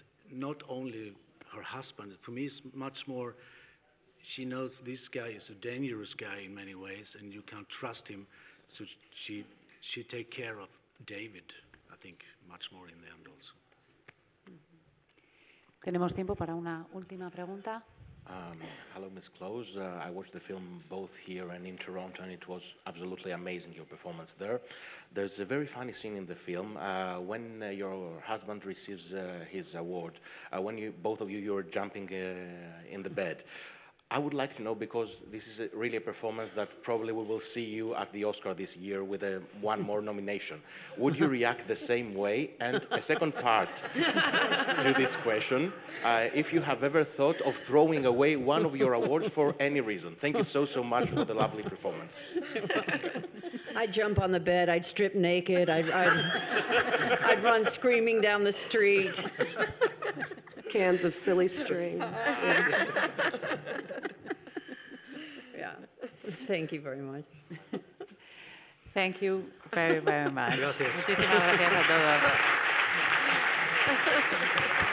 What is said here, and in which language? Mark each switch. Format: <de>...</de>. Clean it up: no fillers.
<en>Not only her husband, for me it's much more, she knows this guy is a dangerous guy in many ways and you can't trust him, so she take care of David, I think, much more in the end also.</en> <es>Tenemos tiempo para una última pregunta.</es> <en>Hello, Ms. Close. I watched the film both here and in Toronto, and it was absolutely amazing, your performance there. There's a very funny scene in the film when your husband receives his award, when you're jumping in the bed. I would like to know, because this is really a performance that probably we will see you at the Oscar this year with one more nomination. Would you react the same way? And a second part to this question, if you have ever thought of throwing away one of your awards for any reason. Thank you so, so much for the lovely performance. I'd jump on the bed, I'd strip naked, I'd run screaming down the street. Cans of silly string. Yeah. Thank you very much. Thank you very, very much.</en> <es>Gracias. Muchísimas gracias a todos.</es>